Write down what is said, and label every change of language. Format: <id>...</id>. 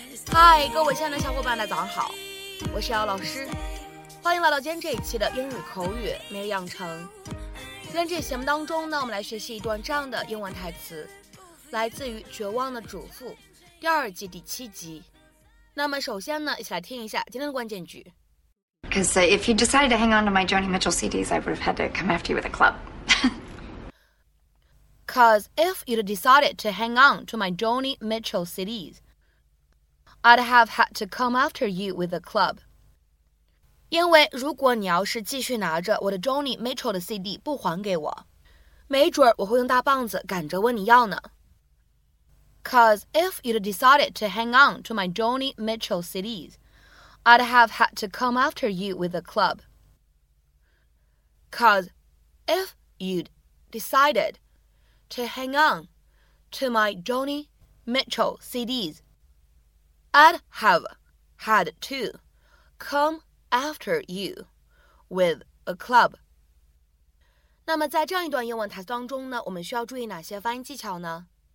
<zh>嗨，各位亲爱的小伙伴们，早上好，我是姚老师，欢迎来到今天这一期的英语口语每日养成。今天这节目当中呢，我们来学习一段这样的英文台词，来自于《绝望的主妇》第二季第七集。那么首先呢，一起来听一下今天的关键句。</zh> <en>Because if you decided to hang on to my Joni Mitchell CDs, I would have had to come after you with a club. Because if you'd decided to hang on to my Joni Mitchell CDs, I'd have had to come after you with a club.</en> <zh>因为如果你要是继续拿着我的 Joni Mitchell 的 CD 不还给我，没准我会用大棒子赶着问你要呢。</zh> <en>Because if you'd decided to hang on to my Joni Mitchell CDs, I'd have had to come after you with a club. Because if you'd decided to hang on to my Joni Mitchell CDs, I'd have had to come after you with a club.</en> <zh>那么在这样一段英文台词当中呢，我们需要注意哪些发音技巧呢？</zh>